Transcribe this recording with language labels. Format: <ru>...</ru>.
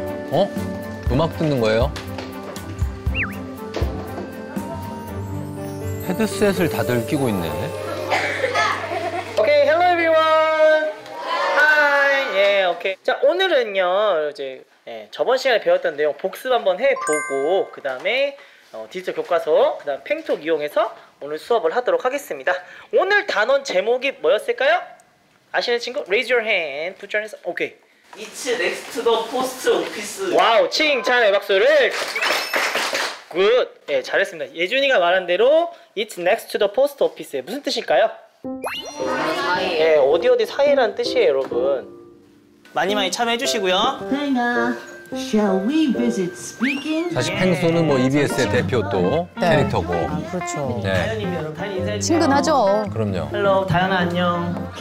<ko>어? 음악 듣는 거예요? 헤드셋을 다들 끼고 있네.</ko> <en>오케이, hello everyone. Hi. Yeah,</en> <ko>오케이. 자, 오늘은요 이제 저번 시간에 배웠던 내용 복습 한번 해보고 그 다음에 디지털 교과서 그 다음 팽톡 이용해서 오늘 수업을 하도록 하겠습니다. 오늘 단어 제목이 뭐였을까요? 아시는 친구?</ko> <en>Raise your hand. Put your hands up.</en> <ko>오케이.</ko> <en>It's next to the post office.</en> <ko>와우, 칭찬의 박수를.</ko> <en>Good.</en> <ko>예, 네, 잘했습니다. 예준이가 말한 대로</ko> <en>It's next to the post office.</en> <ko>무슨 뜻일까요? 사이에. 네, 어디 어디 사이라는 뜻이에요, 여러분. 많이 많이 참여해 주시고요.</ko> <en>샬 위 비짓 스피킹.</en> <ko>사실 펭수는 뭐 EBS의 대표 또 네. 캐릭터고. 그렇죠. 네. 친근하죠. 그럼요. 헬로 다현아 안녕.</ko>